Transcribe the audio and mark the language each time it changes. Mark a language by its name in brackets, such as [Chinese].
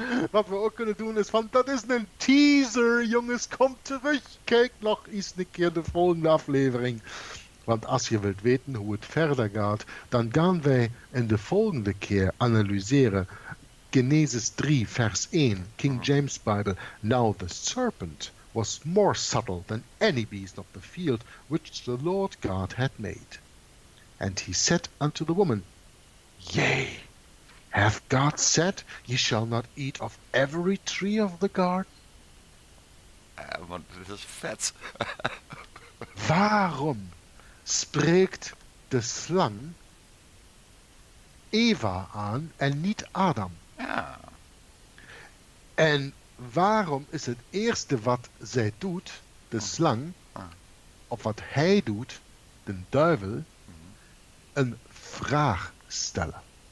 [Dutch] Wat we ook kunnen doen is van, dat is een teaser, jongens, kom terug. Kijk nog eens een keer de volgende aflevering. Want als je wilt weten hoe het verder gaat, dan gaan wij in de volgende keer analyseren Genesis 3, vers 1, King James Bible. [English] Now the serpent was more subtle than any beast of the field which the Lord God had made. And he said unto the woman, Yea, hath God said, ye shall not eat of every tree of the garden? [Dutch] Want dit is vet. Waarom spreekt de slang Eva aan en niet Adam? Ja. En waarom is het eerste wat zij doet, de slang, of wat hij doet, de duivel, een vraag stellen?